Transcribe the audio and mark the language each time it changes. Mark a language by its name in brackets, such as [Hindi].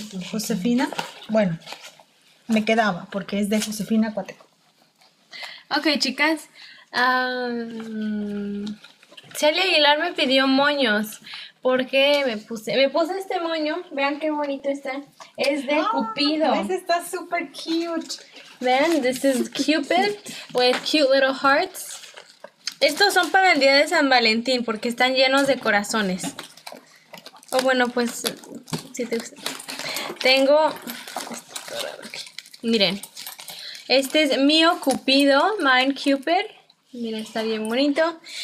[Spanish] Josefina, bueno, me quedaba porque es de Josefina Cuateco. Ok, chicas, Celia Aguilar me pidió moños porque me puse este moño. Vean qué bonito está, es de Cupido. Ese está [English] super cute. [Spanish] Vean, [English] this is Cupid with cute little hearts. [Spanish] Estos son para el día de San Valentín porque están llenos de corazones. Oh, bueno, pues si te gusta. Tengo, miren, este es mío Cupido, [English] Mine Cupid, [Spanish] miren, está bien bonito.